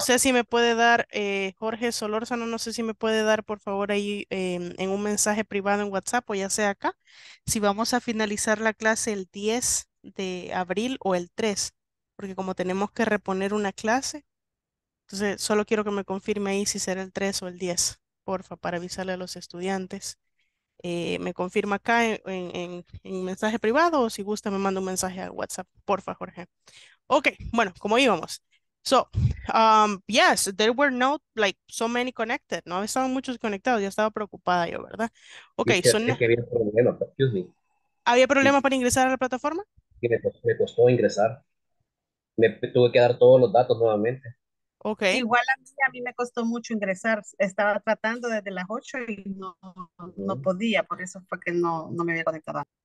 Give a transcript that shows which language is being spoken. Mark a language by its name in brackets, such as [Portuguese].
[Spanish] sé si me puede dar, Jorge Solórzano, no sé si me puede dar, por favor, ahí en un mensaje privado en WhatsApp o ya sea acá, si vamos a finalizar la clase el 10 de abril o el 3, porque como tenemos que reponer una clase, entonces solo quiero que me confirme ahí si será el 3 o el 10, porfa, para avisarle a los estudiantes. Me confirma acá en un mensaje privado o si gusta me manda un mensaje a WhatsApp, porfa, Jorge. Ok, bueno, como íbamos. [English] So, yes, there were not like so many connected. [Spanish] No estaban muchos conectados, ya estaba preocupada yo, ¿verdad? Ok, Y [English] so [Spanish] que había problemas, [English] excuse me. [Spanish] ¿había problema para ingresar a la plataforma? Y me costó ingresar. Me tuve que dar todos los datos nuevamente. Ok. Igual a mí me costó mucho ingresar. Estaba tratando desde las 8 y no podía, por eso fue que no me había conectado.